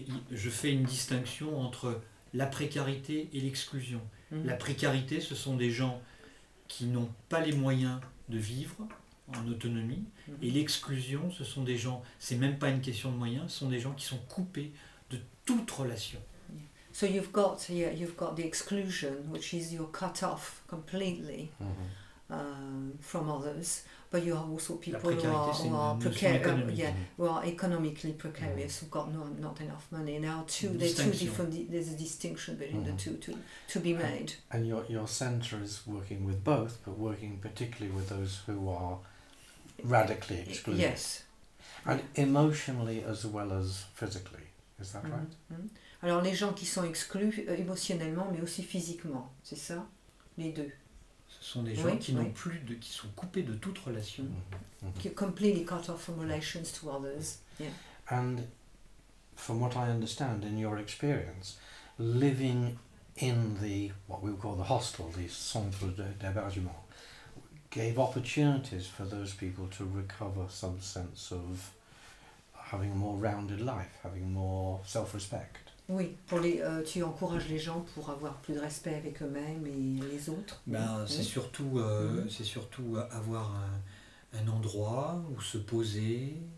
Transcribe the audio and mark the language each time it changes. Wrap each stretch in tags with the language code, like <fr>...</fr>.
<fr>Je fais une distinction entre la précarité et l'exclusion. Mmh. La précarité, ce sont des gens qui n'ont pas les moyens de vivre en autonomie. Mmh. Et l'exclusion, ce sont des gens, c'est même pas une question de moyens, ce sont des gens qui sont coupés de toute relation.</fr> <en>So you've got, yeah, you've got the exclusion, which is you're cut off completely from others. But you have also people who are economically precarious, mm. who've got not enough money. Now, there's a distinction between the two to be made. And your centre is working with both, but working particularly with those who are radically excluded. Yes. And emotionally as well as physically, is that right? Mm.</en> <fr>Alors, les gens qui sont exclus émotionnellement, mais aussi physiquement, c'est ça? Les deux. Ce sont des gens qui n'ont plus de, qui sont coupés de toute relation.</fr> <en>Mm-hmm. Completely cut off from relations to others. Yeah. And from what I understand in your experience, living in the what we would call the hostel, the centre d'hébergement, gave opportunities for those people to recover some sense of having a more rounded life, having more self-respect.</en> <fr>Oui, pour les, tu encourages les gens pour avoir plus de respect avec eux-mêmes et les autres. Ben, c'est surtout avoir un endroit où se poser,</fr>